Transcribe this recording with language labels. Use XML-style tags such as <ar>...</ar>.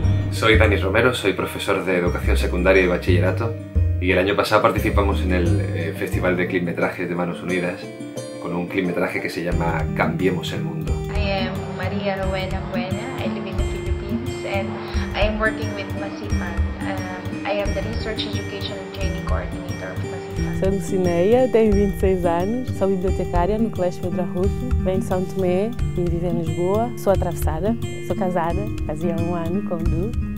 <es>Soy Dani Romero, soy profesor de educación secundaria y bachillerato. Y el año pasado participamos en el Festival de Climetrajes de Manos Unidas con un climetraje que se llama Cambiemos el Mundo.</es> <en>I am María Rowena Buena. I live in the Philippines and I am working with MASIPAD. I am the Research Education and Training Coordinator of MASIPAD.</en> <pt>Sou Lucineia, tenho 26 anos, sou bibliotecária no Colégio Pedro Arruto, venho de São Tomé e vivo em Lisboa. Sou atravessada, sou casada, fazia um ano com o Du.</pt>